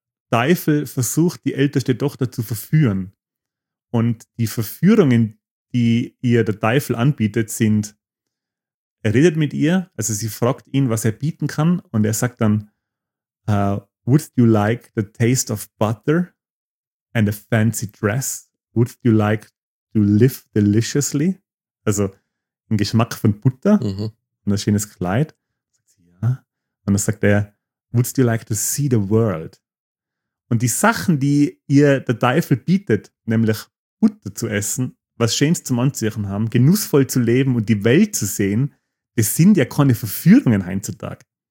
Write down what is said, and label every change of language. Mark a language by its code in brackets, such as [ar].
[de] Teufel versucht, die älteste Tochter zu verführen. Und die Verführungen, die ihr der Teufel anbietet, sind, er redet mit ihr, also sie fragt ihn, was er bieten kann, und er sagt dann, [en] would you like the taste of butter and a fancy dress? Would you like to live deliciously? [de] Also ein Geschmack von Butter und ein schönes Kleid. Ja. Und dann sagt er, [en] would you like to see the world? [de] Und die Sachen, die ihr der Teufel bietet, nämlich Butter zu essen, was Schönes zum Anziehen haben, genussvoll zu leben und die Welt zu sehen, das sind ja keine Verführungen heutzutage.